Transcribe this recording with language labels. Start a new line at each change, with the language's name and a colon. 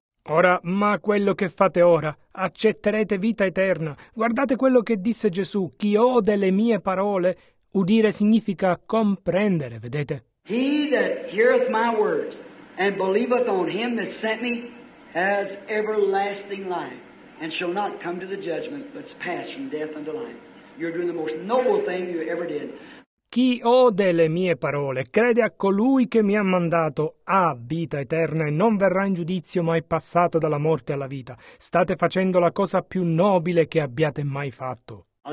Italian: Ora, ma quello che fate ora, accetterete vita eterna. Guardate quello che disse Gesù, chi ode le mie parole, udire significa comprendere, vedete?
English: He that heareth my words and believeth on him that sent me has everlasting life and shall not come to the judgment, but pass from death unto life. You're doing the most noble thing you ever did.
Italian: Chi ode le mie parole, crede a colui che mi ha mandato, ha vita eterna e non verrà in giudizio, ma è passato dalla morte alla vita. State facendo la cosa più nobile che abbiate mai fatto.